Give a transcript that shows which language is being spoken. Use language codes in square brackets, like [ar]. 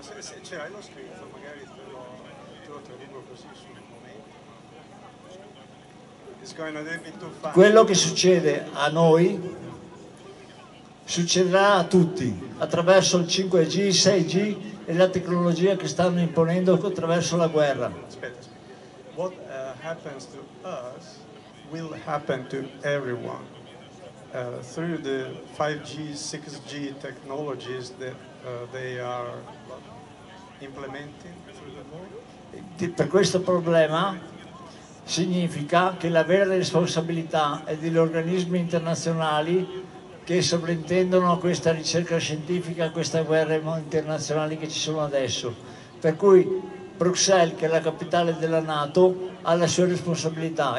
[it] Se ce l'hai lo scritto, magari te lo traduco così sul momento. [en] It's going a little bit too fast. [it] Quello che succede a noi succederà a tutti attraverso il 5G, 6G e la tecnologia che stanno imponendo attraverso la guerra. Aspetta. [en] What happens to us will happen to everyone. Through the 5G, 6G technologies that they are implementing through the world. [it] Per questo problema significa che la vera responsabilità è degli organismi internazionali che sovrintendono a questa ricerca scientifica, a questa guerra internazionale che ci sono adesso. Per cui Bruxelles, che è la capitale della NATO, ha la sua responsabilità.